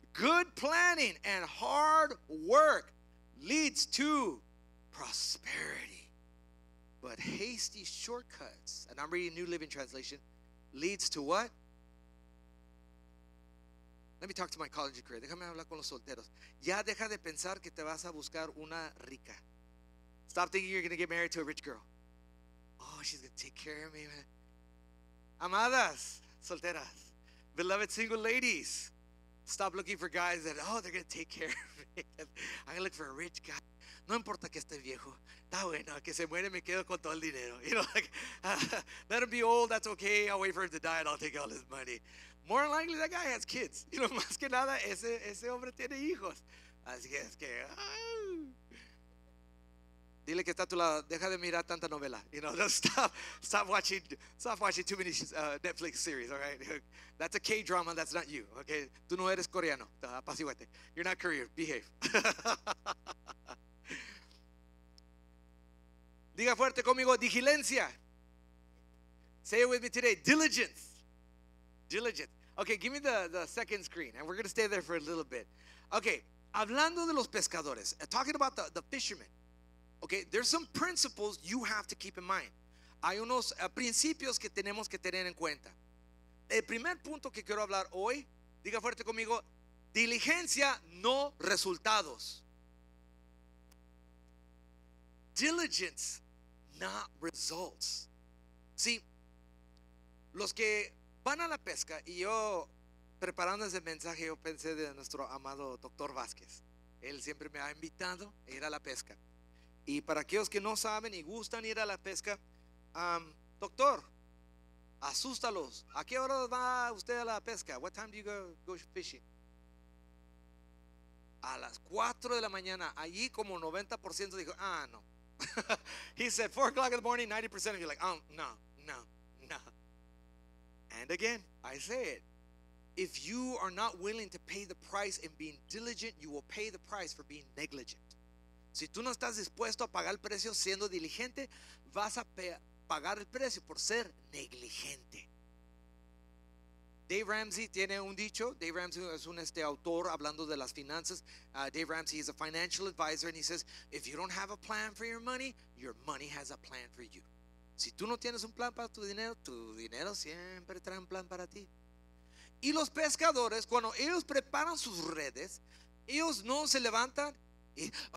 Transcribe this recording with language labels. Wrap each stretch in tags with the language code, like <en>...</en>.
<en>Good planning and hard work leads to prosperity. But hasty shortcuts, and I'm reading New Living Translation, leads to what? Let me talk to my college career.</en> <es>Déjame hablar con los solteros. Ya deja de pensar que te vas a buscar una rica.</es> <en>Stop thinking you're going to get married to a rich girl. Oh, she's going to take care of me, man.</en> <es>Amadas solteras,</es> <en>beloved single ladies, stop looking for guys that, oh, they're going to take care of me. I'm going to look for a rich guy.</en> <es>No importa que esté viejo. Está bueno, que se muere, me quedo con todo el dinero.</es> <en>You know, like, let him be old, that's okay. I'll wait for him to die and I'll take all his money. More than likely, that guy has kids. You know,</en> <es>más que nada, ese hombre tiene hijos. Así es que, Dile que está a tu lado, deja de mirar tanta novela.</es> <en>You know, stop watching too many Netflix series, all right? That's a K-drama, that's not you, okay?</en> <es>Tú no eres coreano, apaciguate.</es> <en>You're not Korean, behave.</en> <es>Diga fuerte conmigo, diligencia.</es> <en>Say it with me today, diligence. Diligence. Okay, give me the second screen, and we're going to stay there for a little bit. Okay,</en> <es>hablando de los pescadores,</es> <en>talking about the fishermen. Okay, there's some principles you have to keep in mind.</en> <es>Hay unos principios que tenemos que tener en cuenta. El primer punto que quiero hablar hoy, diga fuerte conmigo, diligencia, no resultados.</es> <en>Diligence, not results. See,</en> <es>los que van a la pesca, y yo preparando ese mensaje, yo pensé de nuestro amado Dr. Vázquez. Él siempre me ha invitado a ir a la pesca. Y para aquellos que no saben y gustan ir a la pesca, doctor, asústalos. ¿A qué hora va usted a la pesca?</es> <en>What time do you go fishing?</en> <es>A las 4 de la mañana. Allí como 90% dijo, ah, no.</es> <en>He said 4 o'clock in the morning, 90% of you like, oh, no, no, no. And again, I say it. If you are not willing to pay the price in being diligent, you will pay the price for being negligent.</en> <es>Si tú no estás dispuesto a pagar el precio siendo diligente, vas a pagar el precio por ser negligente. Dave Ramsey tiene un dicho. Dave Ramsey es un autor hablando de las finanzas.</es> <en>Dave Ramsey is a financial advisor, and he says, if you don't have a plan for your money has a plan for you.</en> <es>Si tú no tienes un plan para tu dinero siempre trae un plan para ti. Y los pescadores, cuando ellos preparan sus redes, ellos no se levantan y...</es>